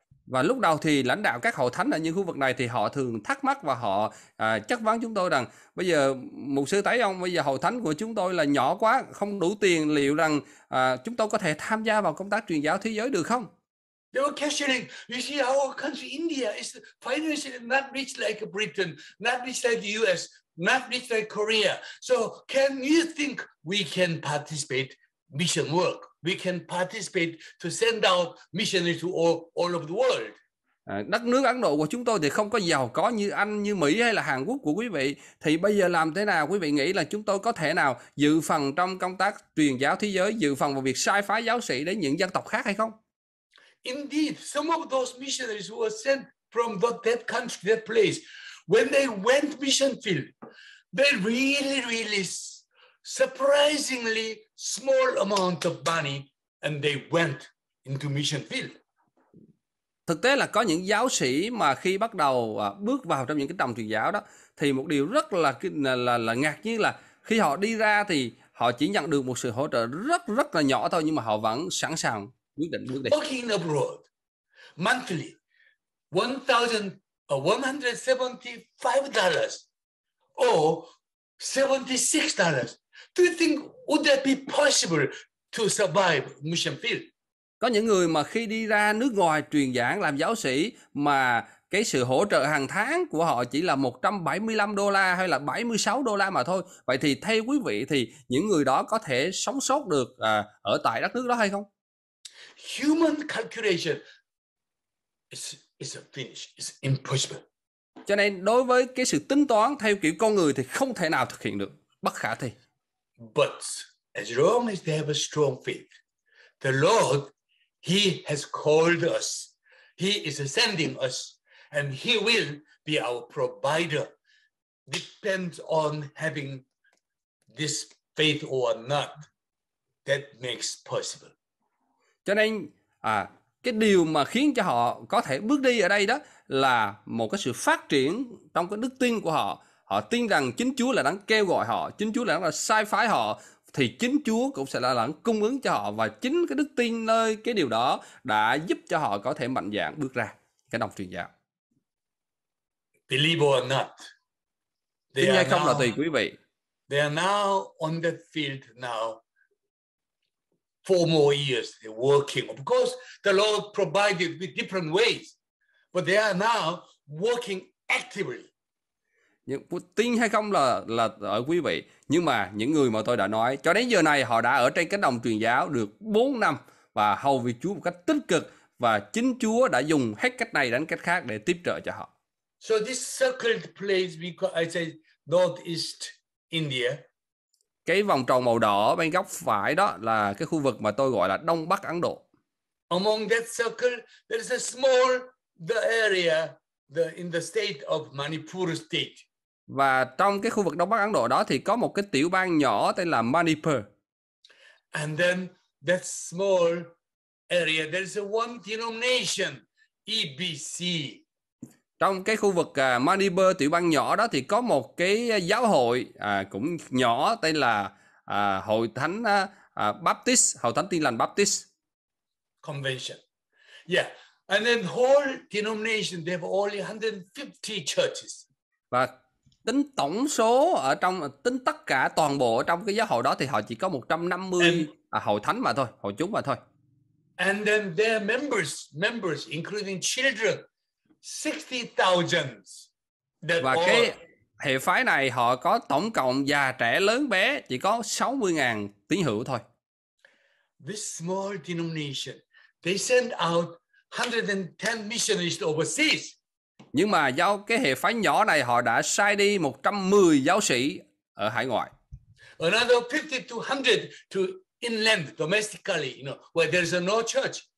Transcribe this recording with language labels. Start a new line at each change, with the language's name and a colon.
Vietnamese: Và lúc đầu thì lãnh đạo các hội thánh ở những khu vực này thì họ thường thắc mắc và họ chất vấn chúng tôi rằng bây giờ mục sư thấy ông, bây giờ hội thánh của chúng tôi là nhỏ quá, không đủ tiền, liệu rằng chúng tôi có thể tham gia vào công tác truyền giáo thế giới được không?
English: They were questioning, you see our country India is financially not rich like Britain, not rich like the US, not rich like Korea. So can you think we can participate mission work? We can participate to send out missionaries to all of the world.
Vietnamese: Đất nước Ấn Độ của chúng tôi thì không có giàu có như Anh, như Mỹ hay là Hàn Quốc của quý vị. Thì bây giờ làm thế nào quý vị nghĩ là chúng tôi có thể nào dự phần trong công tác truyền giáo thế giới, dự phần vào việc sai phái giáo sĩ đến những dân tộc khác hay không?
English: Indeed, some of those missionaries who were sent from that country, that place, when they went mission field, they really, really surprisingly small amount of money and they went into mission field.
Vietnamese: Thực tế là có những giáo sĩ mà khi bắt đầu bước vào trong những cái đồng truyền giáo đó thì một điều rất là ngạc nhiên là khi họ đi ra thì họ chỉ nhận được một sự hỗ trợ rất rất là nhỏ thôi, nhưng mà họ vẫn sẵn sàng quyết định bước đi.
English: Working abroad monthly $1,175 or $76. Do you think would that be possible to survive mission field?
Vietnamese: Có những người mà khi đi ra nước ngoài truyền giảng làm giáo sĩ mà cái sự hỗ trợ hàng tháng của họ chỉ là $175 hay là $76 mà thôi. Vậy thì theo quý vị thì những người đó có thể sống sót được ở tại đất nước đó hay không?
English: Human calculation is a finish, it's impossible.
Vietnamese: Cho nên đối với cái sự tính toán theo kiểu con người thì không thể nào thực hiện được, bất khả thi.
English: But as long as they have a strong faith, the Lord, He has called us, He is sending us, and He will be our provider. Depends on having this faith or not, that makes possible.
Vietnamese: Cho nên, cái điều mà khiến cho họ có thể bước đi ở đây đó là một cái sự phát triển trong cái đức tin của họ. Họ tin rằng chính Chúa là đang kêu gọi họ, chính Chúa là đang sai phái họ, thì chính Chúa cũng sẽ là đang cung ứng cho họ, và chính cái đức tin nơi cái điều đó đã giúp cho họ có thể mạnh dạn bước ra cái đồng truyền giáo.
English: Believe or not,
Vietnamese: tin hay không là tùy quý vị.
English: They are now on the field now. 4 more years they're working. Of course, the Lord provided with different ways, but they are now working actively.
Vietnamese: Nhưng tin hay không là ở quý vị, nhưng mà những người mà tôi đã nói cho đến giờ này họ đã ở trên cánh đồng truyền giáo được 4 năm và hầu việc Chúa một cách tích cực, và chính Chúa đã dùng hết cách này đến cách khác để tiếp trợ cho họ.
English: So this circled place we call, I say northeast India.
Vietnamese: Cái vòng tròn màu đỏ bên góc phải đó là cái khu vực mà tôi gọi là Đông Bắc Ấn Độ.
English: Among that circle there is a small the area the in the state of Manipur state.
Vietnamese: Và trong cái khu vực Đông Bắc Ấn Độ đó thì có một cái tiểu bang nhỏ tên là Manipur.
English: And then that small area there is a one denomination EBC.
Vietnamese: Trong cái khu vực Manipur tiểu bang nhỏ đó thì có một cái giáo hội cũng nhỏ tên là Hội Thánh Baptist, Hội Thánh Tin Lành Baptist
English: Convention. Yeah, and then whole denomination they have only 150 churches.
Vietnamese: Và tính tổng số ở trong tính tất cả toàn bộ trong cái giáo hội đó thì họ chỉ có 150 hội thánh mà thôi, hội chúng mà thôi.
English: And then their members including children, 60,000.
Vietnamese: Và cái hệ phái này họ có tổng cộng già trẻ lớn bé chỉ có 60,000 tín hữu thôi.
English: This small denomination, they send out 110 missionaries overseas.
Vietnamese: Nhưng mà do cái hệ phái nhỏ này họ đã sai đi 110 giáo sĩ ở hải ngoại.
English: Another 50 to 100 to inland domestically, you know, where there is no church.